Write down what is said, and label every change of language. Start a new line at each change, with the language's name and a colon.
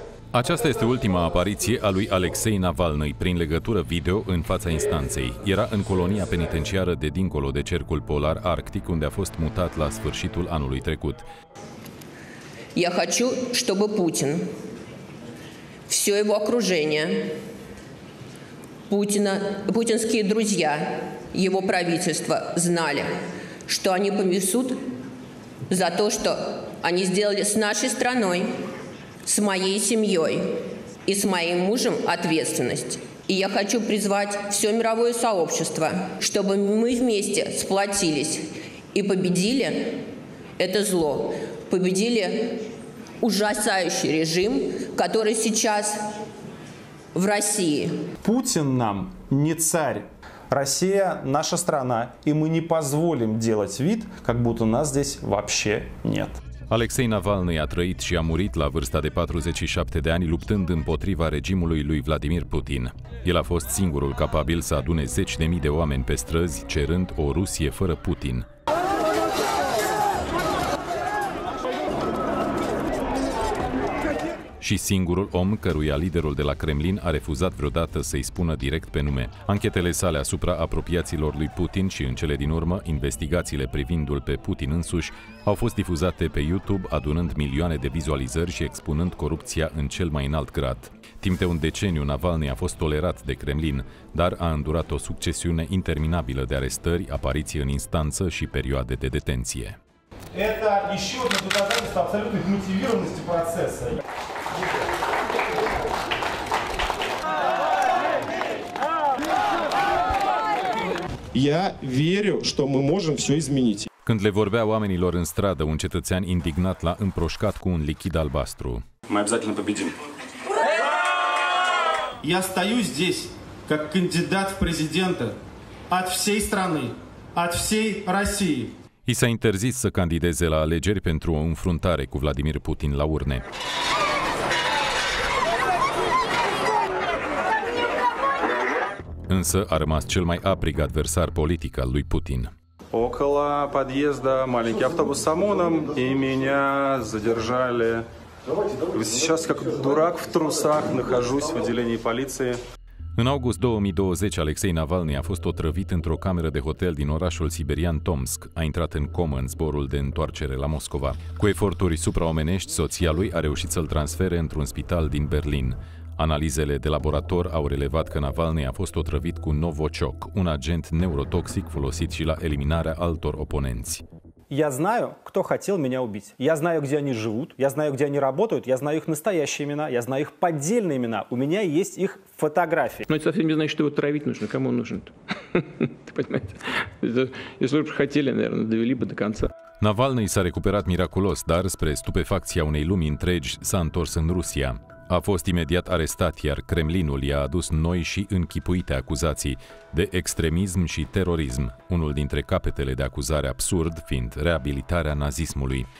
Romanian: Aceasta este ultima apariție a lui Alexei Navalny prin legătură video în fața instanței. Era în colonia penitenciară de dincolo de cercul polar arctic, unde a fost mutat la sfârșitul anului trecut.
Russian: Я хочу, чтобы Путин, всё его окружение, Путина, путинские друзья, его правительство знали, что они понесут за то, что они сделали с нашей страной, с моей семьей и с моим мужем ответственность. И я хочу призвать все мировое сообщество, чтобы мы вместе сплотились и победили это зло, победили ужасающий режим, который сейчас в России. Путин нам не царь. Россия – наша страна, и мы не позволим делать вид, как будто нас здесь вообще нет.
Romanian: Alexei Navalny a trăit și a murit la vârsta de 47 de ani luptând împotriva regimului lui Vladimir Putin. El a fost singurul capabil să adune 10.000 de oameni pe străzi cerând o Rusie fără Putin. Și singurul om căruia liderul de la Kremlin a refuzat vreodată să-i spună direct pe nume. Anchetele sale asupra apropiaților lui Putin și, în cele din urmă, investigațiile privindu-l pe Putin însuși, au fost difuzate pe YouTube, adunând milioane de vizualizări și expunând corupția în cel mai înalt grad. Timp de un deceniu, Navalny a fost tolerat de Kremlin, dar a îndurat o succesiune interminabilă de arestări, apariții în instanță și perioade de detenție.
Russian: Это еще одно доказательство абсолютной мотивированности процесса. Я верю, что мы можем все изменить.
Romanian: Când le vorbea oamenilor în stradă, un cetățean indignat l-a împroșcat cu un lichid albastru.
Russian: Мы обязательно победим. Я стою здесь как кандидат в президенты от всей страны, от всей России.
Romanian: I s-a interzis să candideze la alegeri pentru o înfruntare cu Vladimir Putin la urne. Însă a rămas cel mai aprig adversar politic al lui Putin.
Russian: Около подъезда маленький автобус с ОМОНом и меня задержали. Сейчас как дурак в трусах нахожусь в отделении полиции.
Romanian: În august 2020, Alexei Navalny a fost otrăvit într-o cameră de hotel din orașul siberian Tomsk. A intrat în comă în zborul de întoarcere la Moscova. Cu eforturi supraomenești, soția lui a reușit să-l transfere într-un spital din Berlin. Analizele de laborator au relevat că Navalny a fost otrăvit cu Novochok, un agent neurotoxic folosit și la eliminarea altor oponenți.
Russian: Я знаю, кто хотел меня убить. Я знаю, где они живут, я знаю, где они работают, я знаю их настоящие имена, я знаю их поддельные имена. У меня есть их фотографии. Но это совсем не значит, что его травить нужно. Кому он нужен-то? Ты понимаешь? Если бы хотели, наверное, довели бы до конца.
Romanian: Navalny s-a recuperat miraculos, dar spre stupefacția unei lumi întregi s-a întors în Rusia. A fost imediat arestat, iar Kremlinul i-a adus noi și închipuite acuzații de extremism și terorism, unul dintre capetele de acuzare absurd fiind reabilitarea nazismului.